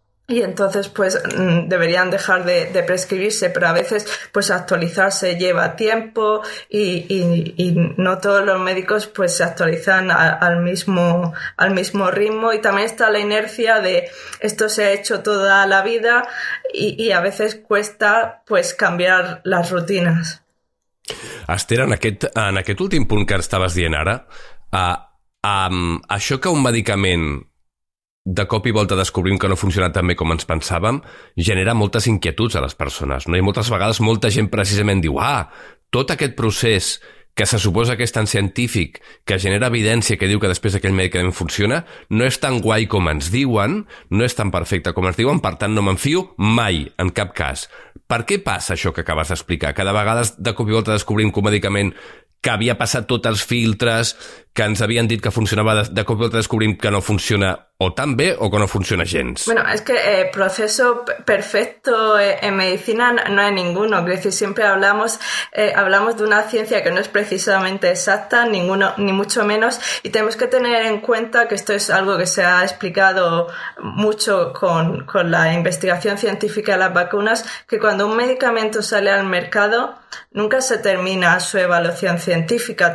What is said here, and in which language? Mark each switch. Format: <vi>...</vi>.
<es>Y entonces, pues, deberían dejar de prescribirse, pero a veces, pues, actualizarse lleva tiempo y no todos los médicos, pues, se actualizan al mismo ritmo. Y también está la inercia de esto se ha hecho toda la vida y a veces cuesta, pues, cambiar las rutinas.</es> <ca>Esther, en aquest últim punt que estaves dient ara, això que un medicament de cop i volta descobrim que no funciona tan bé com ens pensàvem, genera moltes inquietuds a les persones, no? I moltes vegades molta gent precisament diu, tot aquest procés que se suposa que és tan científic, que genera evidència que diu que després d'aquell medicament funciona, no és tan guai com ens diuen, no és tan perfecte com ens diuen, per tant no me'n fio mai, en cap cas. Per què passa això que acabes d'explicar? Cada vegada de cop i volta descobrim que un medicament que havia passat tots els filtres, que ens havien dit que funcionava, de cop i volta descobrim que no funciona o tan bé o que no funciona gens.</ca> <es>Bueno, es que proceso perfecto en medicina no hay ninguno. Es decir, siempre hablamos de una ciencia que no es precisamente exacta, ninguno, ni mucho menos. Y tenemos que tener en cuenta que esto es algo que se ha explicado mucho con la investigación científica de las vacunas, que cuando un medicamento sale al mercado, nunca se termina su evaluación científica.</es>